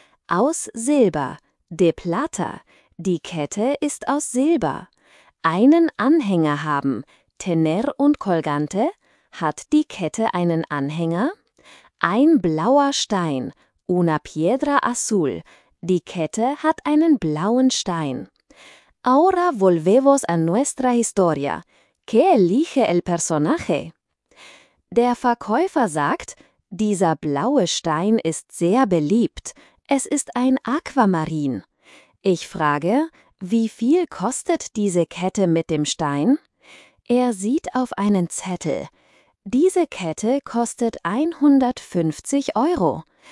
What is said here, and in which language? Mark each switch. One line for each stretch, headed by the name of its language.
German: Aus Silber.
Spanish: De plata.
German: Die Kette ist aus Silber. Einen Anhänger haben.
Spanish: Tener un colgante.
German: Hat die Kette einen Anhänger? Ein blauer Stein.
Spanish: Una piedra azul.
German: Die Kette hat einen blauen Stein.
Spanish: Ahora volvemos a nuestra historia. ¿Qué elige el personaje?
German: Der Verkäufer sagt, dieser blaue Stein ist sehr beliebt. Es ist ein Aquamarin. Ich frage, wie viel kostet diese Kette mit dem Stein? Er sieht auf einen Zettel. Diese Kette kostet 150 Euro.